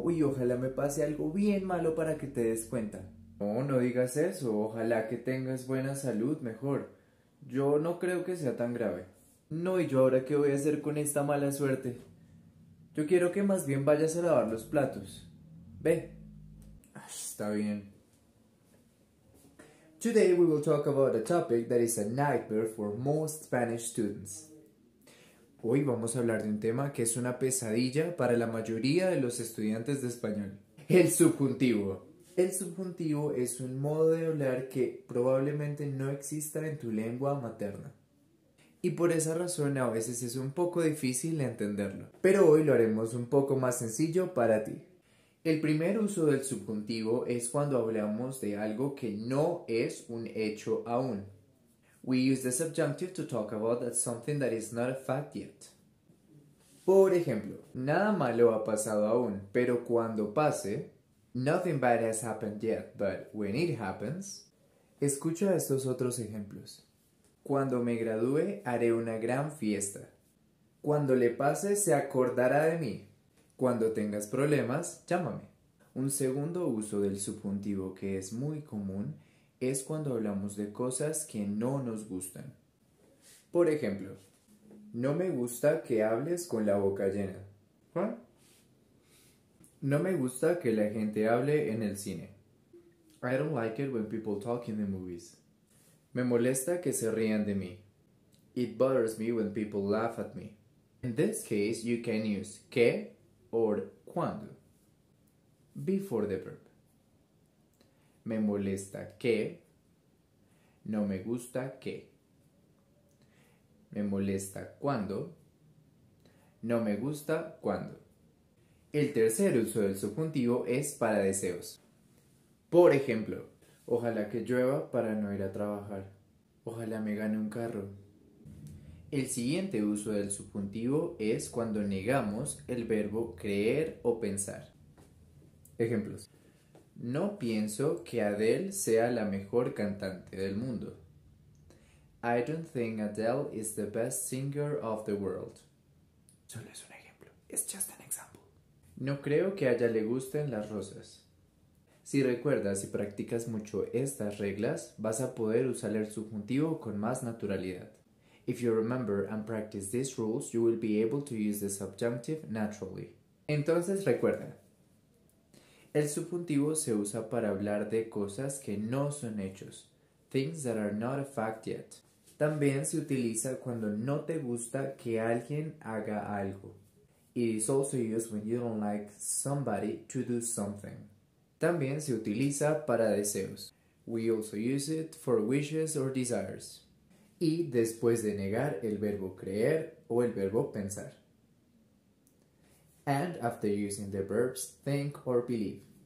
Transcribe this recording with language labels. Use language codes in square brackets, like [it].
[es] Uy, ojalá me pase algo bien malo para que te des cuenta. No, no digas eso. Ojalá que tengas buena salud, mejor. Yo no creo que sea tan grave. No, ¿y yo ahora qué voy a hacer con esta mala suerte? Yo quiero que más bien vayas a lavar los platos. Ve. Está bien. [en] Today we will talk about a topic that is a nightmare for most Spanish students. [es] Hoy vamos a hablar de un tema que es una pesadilla para la mayoría de los estudiantes de español. El subjuntivo. El subjuntivo es un modo de hablar que probablemente no exista en tu lengua materna. Y por esa razón a veces es un poco difícil entenderlo. Pero hoy lo haremos un poco más sencillo para ti. El primer uso del subjuntivo es cuando hablamos de algo que no es un hecho aún. [en] We use the subjunctive to talk about that something that is not a fact yet. [es] Por ejemplo, nada malo ha pasado aún, pero cuando pase, [en] nothing bad has happened yet, but when it happens, [es] escucha estos otros ejemplos. Cuando me gradúe, haré una gran fiesta. Cuando le pase, se acordará de mí. Cuando tengas problemas, llámame. Un segundo uso del subjuntivo que es muy común es cuando hablamos de cosas que no nos gustan. Por ejemplo, no me gusta que hables con la boca llena. ¿Juan? No me gusta que la gente hable en el cine. [en] I don't like it when people talk in the movies. [es] Me molesta que se rían de mí. [en] It bothers me when people laugh at me. In this case, you can use que or cuando. Before the verb. [es] Me molesta que. No me gusta que. Me molesta cuando. No me gusta cuando. El tercer uso del subjuntivo es para deseos. Por ejemplo, ojalá que llueva para no ir a trabajar. Ojalá me gane un carro. El siguiente uso del subjuntivo es cuando negamos el verbo creer o pensar. Ejemplos. No pienso que Adele sea la mejor cantante del mundo. [en] I don't think Adele is the best singer of the world. [es] Solo es un ejemplo. [en] It's just an example. [es] No creo que a ella le gusten las rosas. Si recuerdas y practicas mucho estas reglas, vas a poder usar el subjuntivo con más naturalidad. [en] If you remember and practice these rules, you will be able to use the subjunctive naturally. [es] Entonces recuerda, el subjuntivo se usa para hablar de cosas que no son hechos, [en] things that are not a fact yet. [es] También se utiliza cuando no te gusta que alguien haga algo. [en] It is also used when you don't like somebody to do something. [es] También se utiliza para deseos. [en] We also use it for wishes or desires. [es] Y después de negar el verbo creer o el verbo pensar. [en] And after using the verbs think or believe.